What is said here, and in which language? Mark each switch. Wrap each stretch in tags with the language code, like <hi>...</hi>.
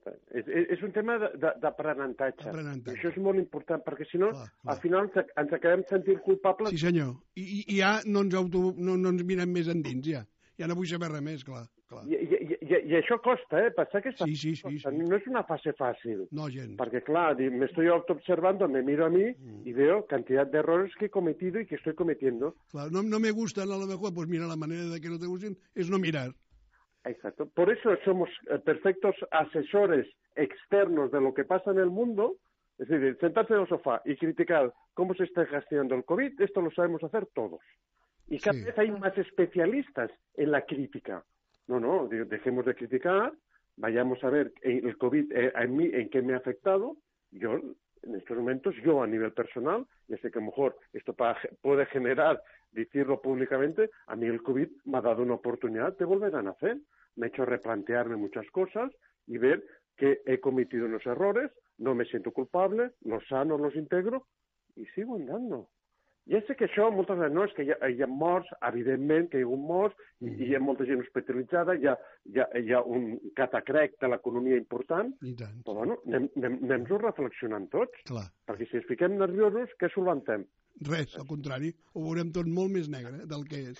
<ca>És un tema d'aprenentatge. Això és molt important, perquè si no, clar. Al final ens acabem sentint culpables. Sí, senyor. I ja no ens, no ens mirem més endins, ja. Ja no vull saber res més, clar. I això costa, eh? Pensar que sí. No és una fase fàcil. No, gens. Perquè, clar,</ca> <es>m'estoy autoobservando, me miro a mi i veo cantidad de errores que he cometido y que estoy cometiendo. Clar, no me gustan, a lo mejor, pues mira, la manera de que no te gusten es no mirar. Exacto. Por eso somos perfectos asesores externos de lo que pasa en el mundo. Es decir, sentarse en el sofá y criticar cómo se está gestionando el COVID, esto lo sabemos hacer todos. Y cada vez hay más especialistas en la crítica. No, dejemos de criticar, vayamos a ver el COVID en mí, en qué me ha afectado. Yo, en estos momentos, yo a nivel personal, ya sé que a lo mejor esto puede generar decirlo públicamente, a mí el COVID me ha dado una oportunidad de volver a nacer. Me ha hecho replantearme muchas cosas y ver que he cometido unos errores, no me siento culpable, los sano, los integro y sigo andando. Ya sé que</es> <ca>això, moltes vegades, no, és que hi ha morts, evidentment que hi ha morts, i hi ha molta gent hospitalitzada, hi ha un catacrec de l'economia important, però bueno, anem-nos-ho reflexionant tots. Clar. Perquè si ens fiquem nerviosos, què solventem? Res, al contrari, ho veurem tot molt més negre del que és.</ca>